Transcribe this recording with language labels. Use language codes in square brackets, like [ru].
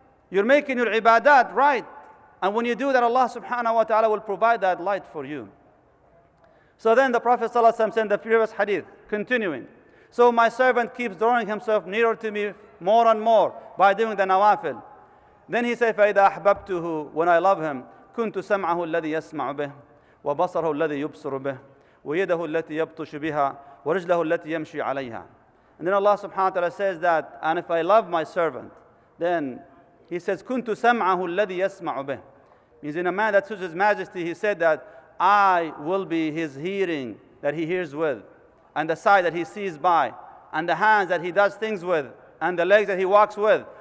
[en] You're making your ibadat right. And when you do that, Allah subhanahu wa ta'ala will provide that light for you. So then the Prophet sallallahu alaihi wasallam said in the previous hadith, continuing, so my servant keeps drawing himself nearer to me more and more by doing the nawafil. Then he said, [ar] فَإِذَا أَحْبَبْتُهُ, [en] when I love him, [ar] كُنْتُ سَمْعَهُ الَّذِي يَسْمَعُ بِهِ وَبَصَرَهُ الَّذِي يُبْصُرُ بِهِ وَيَدَهُ الَّتِي يَبْطُشُ بِهَا وَرِجْلَهُ الَّتِي يَمْشِي عَلَيْهَا. [en] And then Allah subhanahu wa ta'ala says that, and if I love my servant, then he says, [ar] كُنْتُ سَمْعَهُ الَّذِي يَسْمَعُ بِهِ. [en] Means in a man that suits his majesty, he said that I will be his hearing that he hears with, and the sight that he sees by, and the hands that he does things with, and the legs that he walks with.